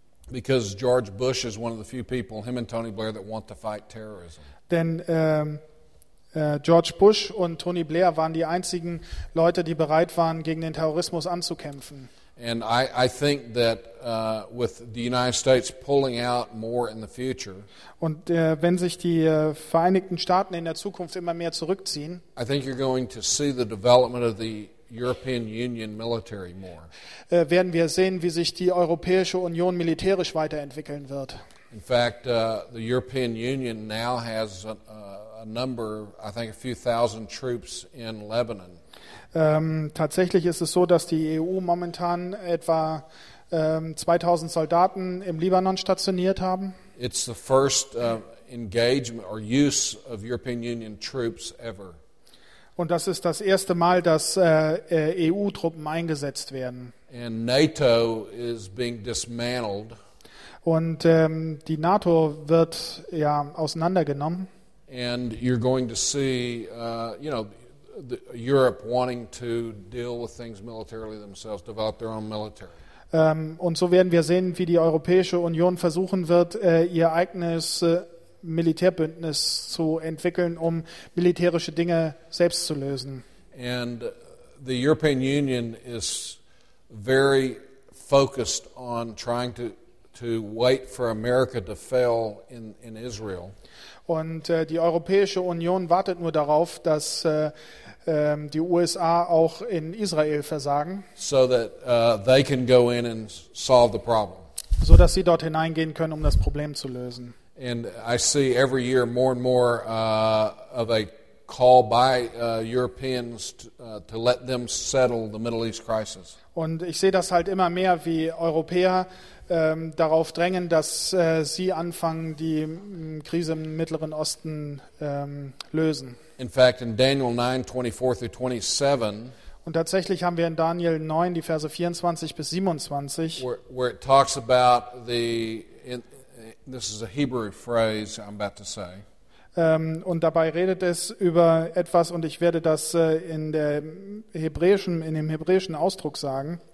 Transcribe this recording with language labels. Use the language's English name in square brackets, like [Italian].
[English] Because George Bush is one of the few people, him and Tony Blair, that want to fight terrorism. [German] Denn George Bush und Tony Blair waren die einzigen Leute, die bereit waren, gegen den Terrorismus anzukämpfen. [English] And I think that with the United States pulling out more in the future, [German] und wenn sich die Vereinigten Staaten in der Zukunft immer mehr zurückziehen, [English] I think you're going to see the development of the European Union military more. [German] Werden wir sehen, wie sich die Europäische Union militärisch weiterentwickeln wird. [English] In fact, the European Union now has a number, I think a few thousand troops in Lebanon. [German] Tatsächlich ist es so, dass die EU momentan etwa 2000 Soldaten im Libanon stationiert haben. [English] It's the first engagement or use of European Union troops ever. [German] Und das ist das erste Mal, dass EU-Truppen eingesetzt werden. [English] And NATO is being dismantled. [German] Und die NATO wird ja auseinandergenommen. [English] And you're going to see, Europe wanting to deal with things militarily themselves, develop their own military. [German] Und so werden wir sehen, wie die Europäische Union versuchen wird, ihr eigenes Militärbündnis zu entwickeln, um militärische Dinge selbst zu lösen. [English] And the European Union is very focused on trying to wait for America to fail in Israel. [German] Und die Europäische Union wartet nur darauf, dass die USA auch in Israel versagen, [English] so that they can go in and solve the problem. [German] So dass sie dort hineingehen können, um das Problem zu lösen. [English] And I see every year more and more of a call by Europeans to let them settle the Middle East crisis. [German] Und ich sehe das halt immer mehr, wie Europäer darauf drängen, dass sie anfangen, die Krise im Mittleren Osten lösen. [English] In fact, in Daniel 9:24-27, [German] und tatsächlich haben wir in Daniel 9 die Verse 24 bis 27, [English] where it talks about this is a Hebrew phrase I'm about to say. [German] Und dabei redet es über etwas, und ich werde das in dem hebräischen Ausdruck sagen.